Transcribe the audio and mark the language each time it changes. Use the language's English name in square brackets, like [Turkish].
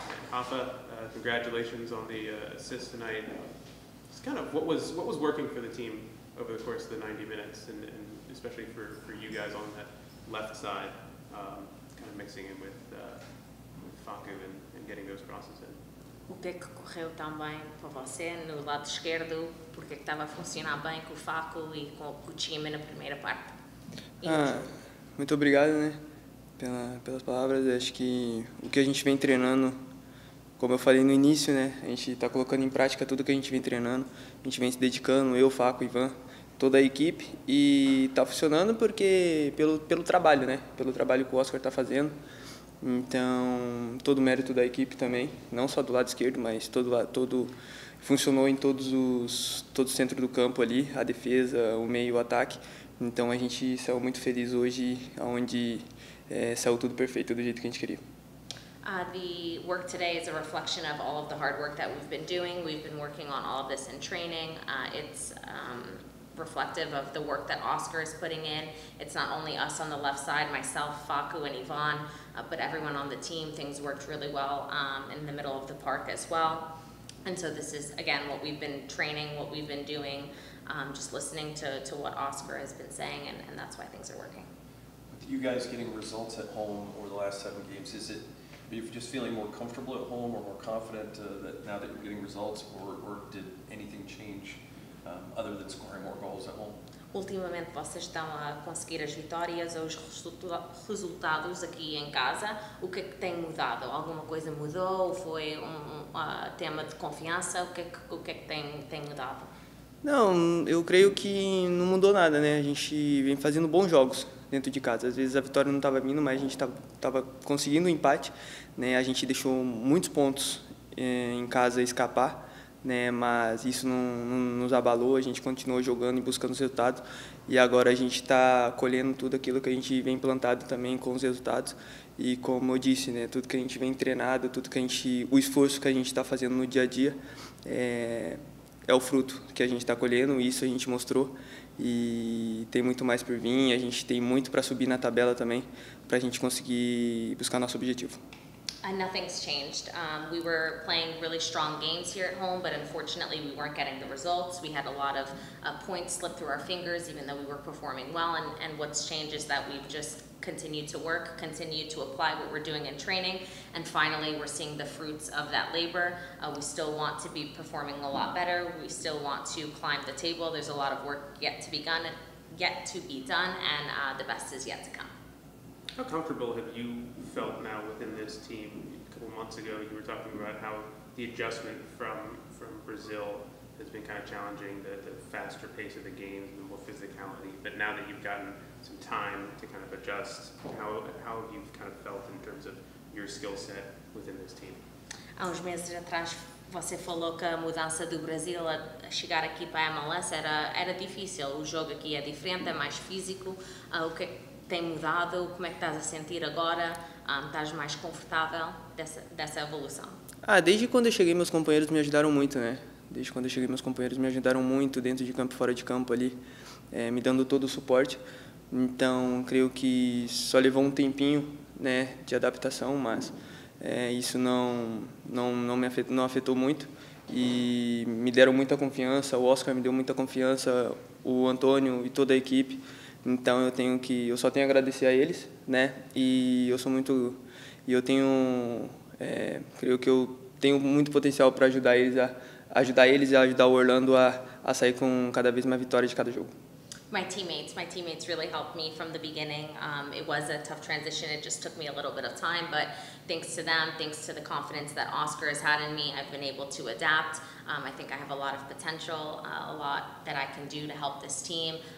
[English] Rafa, congratulations on the assist tonight. It's kind of what was working for the team over the course of the 90 minutes, and especially for you guys on that left side, kind of mixing in with Faku and getting those crosses in. [Portuguese] O que é que correu tão bem para você no lado esquerdo? Porque é que estava a funcionar bem com o Faco e com o time na primeira parte? Muito obrigado, né, pelas palavras. Acho que o que a gente vem treinando, como eu falei no início, né, a gente está colocando em prática tudo que a gente vem treinando. A gente vem se dedicando, eu, Faco, Ivan, toda a equipe. E está funcionando porque pelo trabalho, né, pelo trabalho que o Oscar está fazendo. Então, todo o mérito da equipe também, não só do lado esquerdo, mas todo funcionou em todo o centro do campo ali, a defesa, o meio, o ataque. Então, a gente saiu muito feliz hoje, onde saiu tudo perfeito do jeito que a gente queria. [English] The work today is a reflection of all of the hard work that we've been doing. We've been working on all of this in training. Reflective of the work that Oscar is putting in. It's not only us on the left side, myself, Faku, and Yvonne, but everyone on the team. Things worked really well in the middle of the park as well. And so this is, again, what we've been training, what we've been doing, just listening to what Oscar has been saying, and that's why things are working. Okay. you guys getting results at home over the last seven games, is it, are you just feeling more comfortable at home or more confident that now that you're getting results, or did anything change other than scoring more goals at home? [Portuguese] Ultimamente vocês estão a conseguir as vitórias ou os resultados aqui em casa. O que é que tem mudado? Alguma coisa mudou? Foi um tema de confiança? O que é que tem mudado? Não, eu creio que não mudou nada, né? A gente vem fazendo bons jogos dentro de casa. Às vezes a vitória não estava vindo, mas a gente estava conseguindo um empate, né? A gente deixou muitos pontos em casa escapar, né? Mas isso não nos abalou, a gente continuou jogando e buscando os resultados. E agora a gente está colhendo tudo aquilo que a gente vem plantado também com os resultados. E como eu disse, né? Tudo que a gente vem treinado, tudo que a gente, o esforço que a gente está fazendo no dia a dia, é o fruto que a gente está colhendo, isso a gente mostrou. E tem muito mais por vir, a gente tem muito para subir na tabela também, para a gente conseguir buscar nosso objetivo. [English] Nothing's changed. We were playing really strong games here at home, but unfortunately we weren't getting the results. We had a lot of points slip through our fingers, even though we were performing well. And what's changed is that we've just continued to work, continued to apply what we're doing in training, and finally we're seeing the fruits of that labor. We still want to be performing a lot better. We still want to climb the table. There's a lot of work yet to be done, and the best is yet to come. How comfortable have you felt now within this team? A couple months ago, you were talking about how the adjustment from Brazil has been kind of challenging, the faster pace of the games and the more physicality. But now that you've gotten some time to kind of adjust, how have you kind of felt in terms of your skill set within this team? [Portuguese] Há uns meses atrás, você falou que a mudança do Brasil a chegar aqui para a MLS era difícil. O jogo aqui é diferente, é mais físico. Tem mudado? Como é que estás a sentir agora? Estás mais confortável dessa evolução? Ah, desde quando eu cheguei, meus companheiros me ajudaram muito, né? Desde quando eu cheguei, meus companheiros me ajudaram muito dentro de campo e fora de campo ali, me dando todo o suporte. Então, creio que só levou um tempinho, né, de adaptação, mas isso não me afetou, não afetou muito. E me deram muita confiança, o Oscar me deu muita confiança, o Antônio e toda a equipe. Então eu só tenho a agradecer a eles, né? E eu sou muito, e eu tenho, creio que eu tenho muito potencial para ajudar eles a ajudar o Orlando a sair com cada vez mais vitórias de cada jogo. [English] My teammates really helped me from the beginning. It was a tough transition. It just took me a little bit of time, but thanks to them, thanks to the confidence that Oscar has had in me, I've been able to adapt. I think I have a lot of potential, a lot that I can do to help this team.